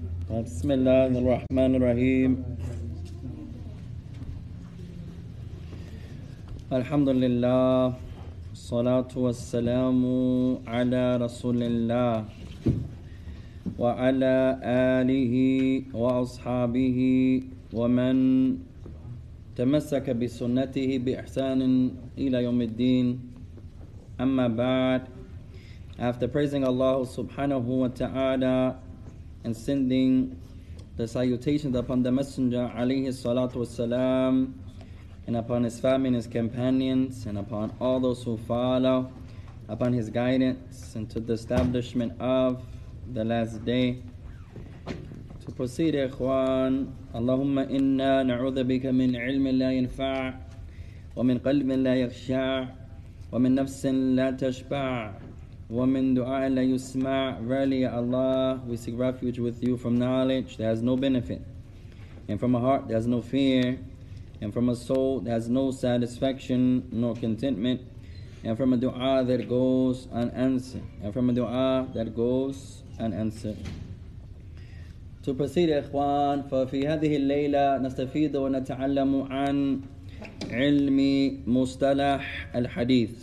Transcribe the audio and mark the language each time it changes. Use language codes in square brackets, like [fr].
[ar] بسم الله الرحمن الرحيم الحمد لله الصلاة والسلام على رسول الله وعلى آله وأصحابه ومن تمسك بسنته بإحسان إلى يوم الدين أما بعد. [en] After praising Allah subhanahu wa ta'ala and sending the salutations upon the Messenger alayhi salatu wasalam and upon his family and his companions and upon all those who follow, upon his guidance and to the establishment of the last day. To proceed, [ar] ikhwan, Allahumma inna na'udha bika min ilmin la yinfa' wa min qalbin la yakhsha' wa min nafsin la tashba'. وَمِنْ دُعَاءٍ لَا يُسْمَعُ. [en] Verily, Ya Allah, we seek refuge with you from knowledge that has no benefit, and from a heart that has no fear, and from a soul that has no satisfaction nor contentment, and from a dua that goes unanswered, and from a dua that goes unanswered. To proceed, [ar] إخوان, فَفِي هَذِهِ اللَّيْلَةِ نَسْتَفِيدُ وَنَتَعَلَّمُ عَنْ عِلْمِ مُصْطَلَحِ الْحَدِيثِ.